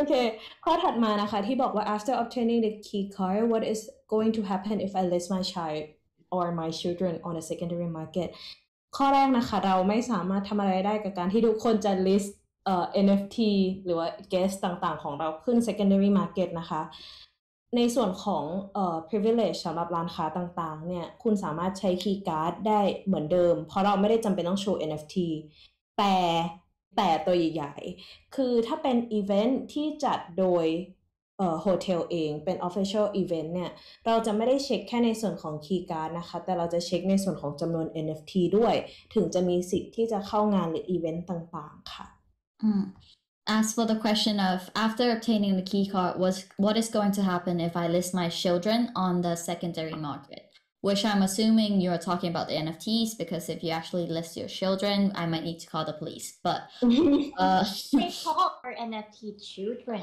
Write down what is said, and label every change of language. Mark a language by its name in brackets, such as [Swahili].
[English] Okay. [Thai] ข้อถัดมานะคะที่บอกว่า [English] after obtaining the key card, what is going to happen if I list my child or my children on a secondary market? [Thai] ข้อแรกนะคะเราไม่สามารถทำอะไรได้กับการที่ทุกคนจะ listNFT หรือว่า guest ต่างๆของเราขึ้น secondary market นะคะในส่วนของprivilege สำหรับร้านค้าต่างๆเนี่ยคุณสามารถใช้ key card ได้เหมือนเดิมเพราะเราไม่ได้จำเป็นต้องโชว์ NFT แต่ตัวใหญ่ๆคือถ้าเป็น event ที่จัดโดยhotel เองเป็น official event เนี่ยเราจะไม่ได้เช็คแค่ในส่วนของ key card นะคะแต่เราจะเช็คในส่วนของจำนวน NFT ด้วยถึงจะมีสิทธิ์ที่จะเข้างานหรือ event ต่างๆค่ะ [English] As for the question of after obtaining the key card, what is going to happen if I list my children on the secondary market? Which I'm assuming you're talking about the NFTs, because if you actually list your children, I might need to call the police. But they call our NFT children.